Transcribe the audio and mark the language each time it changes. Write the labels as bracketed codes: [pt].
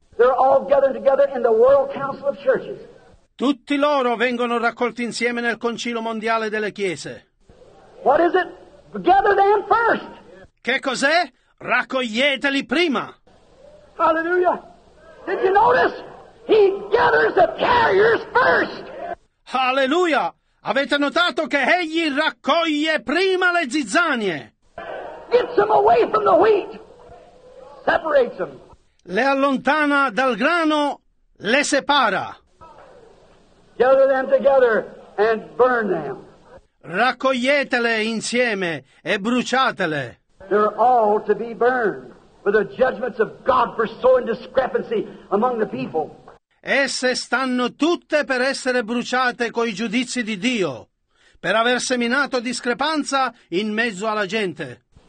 [en] They're all gathered together in the World Council of Churches. [it] Tutti loro vengono raccolti insieme nel Concilio Mondiale delle Chiese. [en] What is it? Gather them first. [it] Che cos'è? Raccoglieteli prima. [en] Hallelujah. Did you notice? He gathers the carriers first. Hallelujah. [it] Avete notato che egli raccoglie prima le zizzanie? [en] Gets them away from the wheat. Separates them. [it] Le allontana dal grano, le separa. [en] Gather them together and burn them. [it] Raccoglietele insieme e bruciatele. [en] They're all to be burned for the judgments of God for sowing discrepancy among the people. [it] Esse stanno tutte per essere bruciate coi giudizi di Dio, per aver seminato discrepanza in mezzo alla gente.